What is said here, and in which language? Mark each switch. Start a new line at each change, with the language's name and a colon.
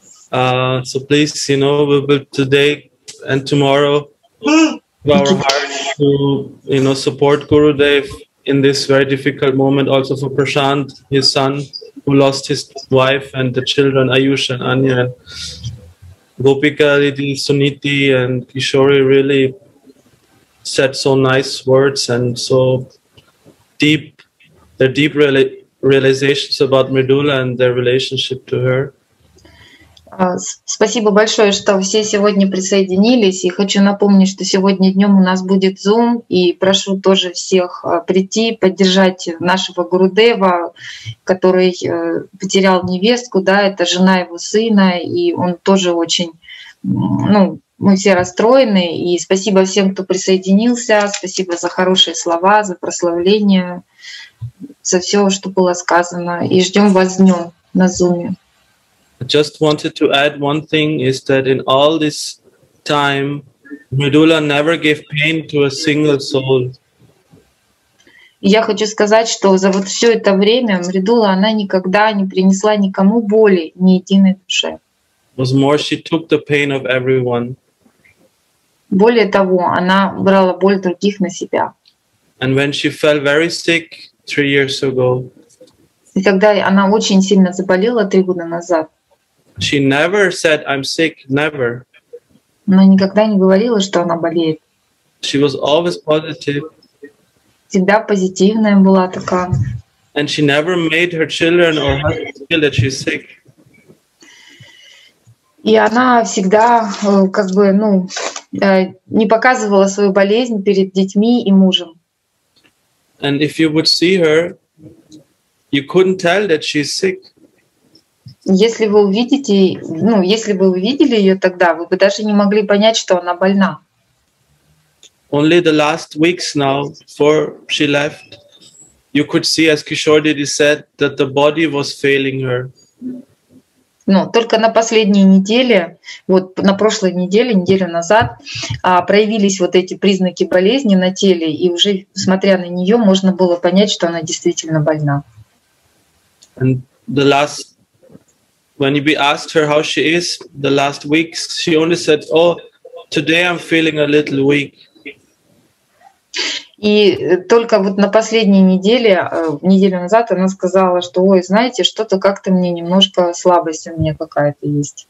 English: So please, you know, we will today and tomorrow to our heart to, you know, support Gurudev in this very difficult moment, also for Prashant, his son, who lost his wife and the children, Ayush and Anya, and Gopika, Didi, Suniti and Kishori really said so nice words and so deep, their deep realizations about Medulla and their relationship to her.
Russian: Спасибо большое, что все сегодня присоединились. И хочу напомнить, что сегодня днем у нас будет Zoom. И прошу тоже всех прийти, поддержать нашего Гурудева, который потерял невестку. Да, это жена его сына, и он тоже очень, ну, мы все расстроены. И спасибо всем, кто присоединился. Спасибо за хорошие слова, за прославление, за все, что было сказано. И ждем вас днем на Zoom.
English: I just wanted to add one thing is that in all this time, Medulla never gave pain to a single soul.
Russian: Я хочу сказать, что за вот все это время Медулла она никогда не принесла никому боли, ни единой душе.
English: Was more, she took the pain of everyone.
Russian: Более того, она брала боль других на себя.
English: And when she fell very sick 3 years ago.
Russian: И когда она очень сильно заболела 3 года назад.
English: She never said, "I'm sick." Never.
Russian: Она никогда не говорила, что она болеет.
English: She was always positive.
Russian: Всегда позитивная была такая.
English: And she never made her children or husband feel that she's sick.
Russian: И она всегда, как бы, ну, не показывала свою болезнь перед детьми и мужем.
English: And if you would see her, you couldn't tell that she's sick.
Russian: Если вы увидите, ну, если бы вы видели ее тогда, вы бы даже не могли понять, что она больна.
English: Only the last weeks now, before she left, you could see, as Kishore Didi said, that the body was failing her.
Russian: Ну, только на последней неделе, вот на прошлой неделе, неделю назад, проявились вот эти признаки болезни на теле, и уже, смотря на нее, можно было понять, что она действительно больна.
English: And the last when we asked her how she is the last weeks, she only said, "Oh, today I'm feeling a little weak."
Russian: И только вот на последней неделе, неделю назад, она сказала, что, ой, знаете, что-то как-то мне немножко слабость у меня какая-то есть.